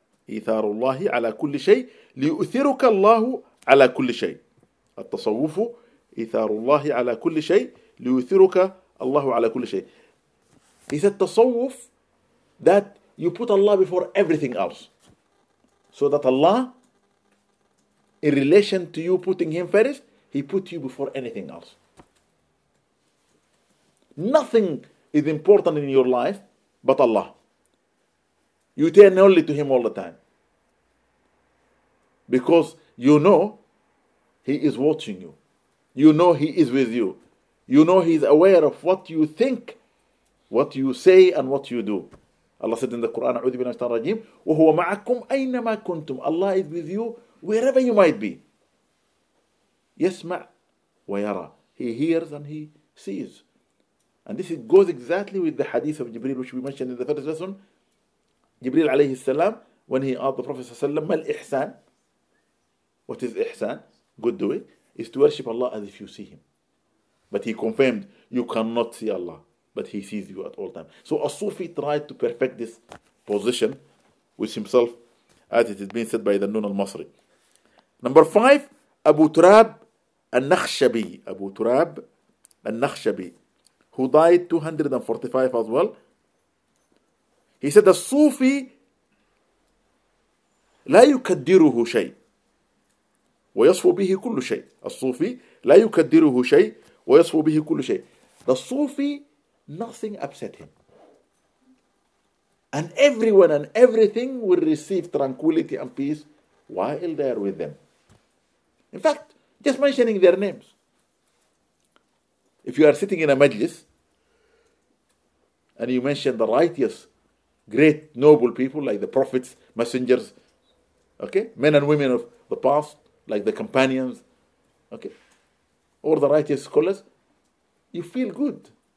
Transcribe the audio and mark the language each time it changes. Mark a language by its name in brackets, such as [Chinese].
[Arabic] إثار الله على كل شيء ليؤثرك الله على كل شيء. التصوف إثار الله على كل شيء ليؤثرك الله على كل شيء. [English] He said, التصوف that you put Allah before everything else, so that Allah, in relation to you putting him first, he put you before anything else. Nothing is important in your life but Allah. You turn only to him all the time, because you know he is watching you. You know he is with you. You know he is aware of what you think, what you say, and what you do. Allah said in the Quran, [Arabic] أعوذ بالله من الشيطان الرجيم, وهو معكم أينما كنتم. [English] Allah is with you wherever you might be. [Arabic] يسمع ويرى. [English] He hears and he sees. And this goes exactly with the hadith of Jibreel, which we mentioned in the first lesson. Jibreel alayhi salam, when he asked the Prophet sallallahu alayhi wa sallam, [Arabic] مَا الْإِحْسَان? [English] What is إِحْسَان? Good doing is to worship Allah as if you see him. But he confirmed, you cannot see Allah, but he sees you at all times. So a Sufi tried to perfect this position with himself, as it has been said by the Nun al-Masri. Number 5, Abu Turab al-Nakhshabi. Abu Turab al-Nakhshabi, who died 245 as well. He said, a Sufi [Arabic] لا يكدره شيء ويصفو به كل شيء. [English] A Sufi [Arabic] لا يكدره شيء ويصفو به كل شيء. [English] The Sufi, nothing upset him, and everyone and everything will receive tranquility and peace while they are with them. In fact, just mentioning their names. If you are sitting in a majlis and you mention the righteous, great, noble people like the prophets, messengers, okay, men and women of the past, like the companions, okay, or the righteous scholars, you feel good.